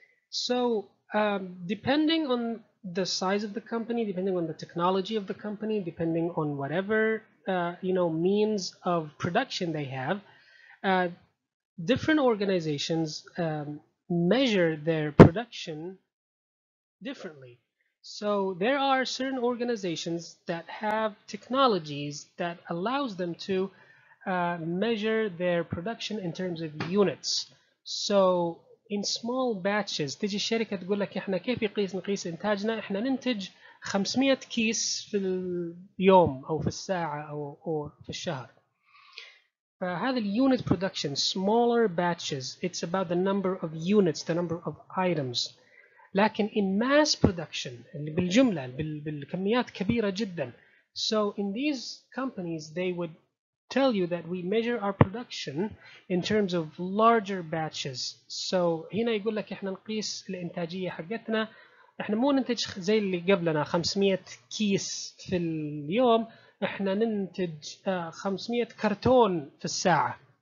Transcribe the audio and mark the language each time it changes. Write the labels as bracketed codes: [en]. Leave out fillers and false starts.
[en] So, depending on the size of the company, depending on the technology of the company, depending on whatever means of production they have, different organizations measure their production differently. So there are certain organizations that have technologies that allows them to measure their production in terms of units. So in small batches, [ar] تجي الشركة تقول لك احنا كيف نقيس انتاجنا؟ احنا ننتج 500 كيس في اليوم او في الساعة او في الشهر. [en] فهذا unit production, smaller batches, it's about the number of units, the number of items. [ar] لكن [en] in mass production [ar] اللي بالجملة بالكميات كبيرة جدا [en] so in these companies they would tell you that we measure our production in terms of larger batches so [ar] هنا يقول لك احنا نقيس الانتاجية حقتنا احنا مو ننتج زي اللي قبلنا 500 كيس في اليوم احنا ننتج 500 كرتون في الساعة